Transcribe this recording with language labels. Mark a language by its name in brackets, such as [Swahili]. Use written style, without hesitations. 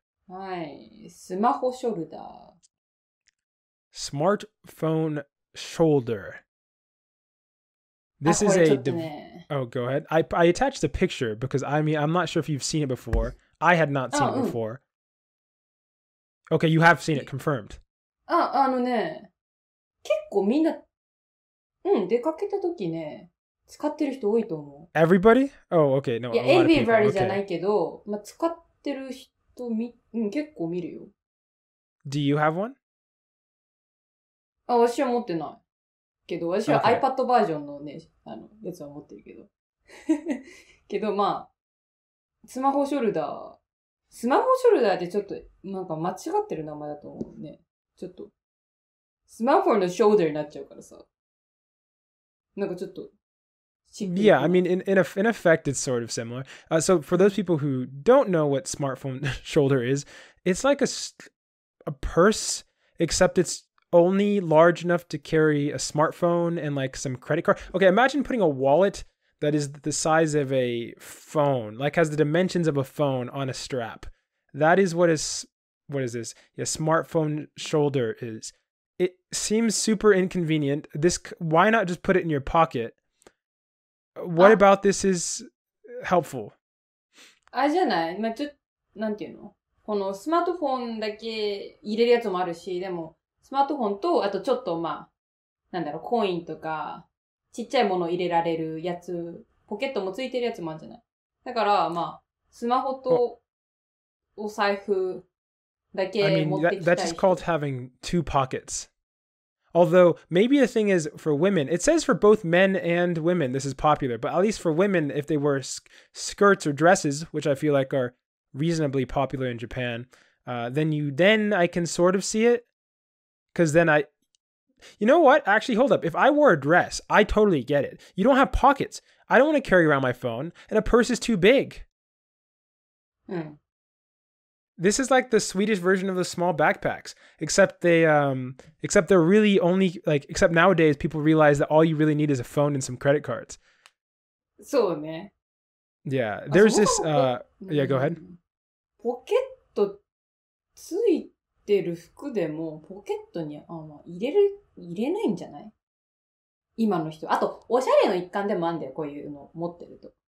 [English] Hi, smartphone shoulder. Smartphone shoulder. This is a go ahead. I attached a picture because I mean I'm not sure if you've seen it before. I had not seen it before. Okay, you have seen it, confirmed. [Japanese] あのね、結構みんな、うん、出かけた時ね、使ってる人多いと思う。 [English] Everybody? Oh, okay. No, [Japanese] yeah, everybody じゃないけど、まあ、使ってる人み、うん、結構見るよ。 [English] Do you have one? [Japanese] あ、私は持ってない。けど、私は iPad バージョンのね、あの、やつは持ってるけど。けど、まあ、スマホショルダー。スマホショルダーってちょっと、なんか間違ってる名前だと思うね。ちょっと、スマホのショルダーになっちゃうからさ。なんかちょっと、 [English] Yeah, I mean, in effect, it's sort of similar. So for those people who don't know what smartphone shoulder is, it's like a purse, except it's only large enough to carry a smartphone and like some credit card. Okay, imagine putting a wallet that is the size of a phone, like has the dimensions of a phone on a strap. That is what is... What is this? Yeah, smartphone shoulder is. It seems super inconvenient. This, why not just put it in your pocket? What about this is helpful? [Japanese] あれじゃない? まあ、ちょっと、なんていうの?このスマートフォンだけ入れるやつもあるし、でも、スマートフォンと、あとちょっと、まあ、なんだろう、コインとか、ちっちゃいものを入れられるやつ、ポケットもついてるやつもあるじゃない。だから、まあ、スマホと、お財布、 [English] I mean, that's just called having two pockets. Although, maybe the thing is, for women, it says for both men and women, this is popular, but at least for women, if they wear skirts or dresses, which I feel like are reasonably popular in Japan, then I can sort of see it. Because then I... You know what? Actually, hold up. If I wore a dress, I totally get it. You don't have pockets. I don't want to carry around my phone, and a purse is too big. Hmm. This is like the Swedish version of the small backpacks, except they, except they're really only like, except nowadays people realize that all you really need is a phone and some credit cards. [Japanese] そうね。 [English] Yeah, there's this, yeah, go ahead. [Japanese] ポケットついてる服でもポケットに入れないんじゃない?今の人。あと、おしゃれの一環でもあるんだよ、こういうの持ってると。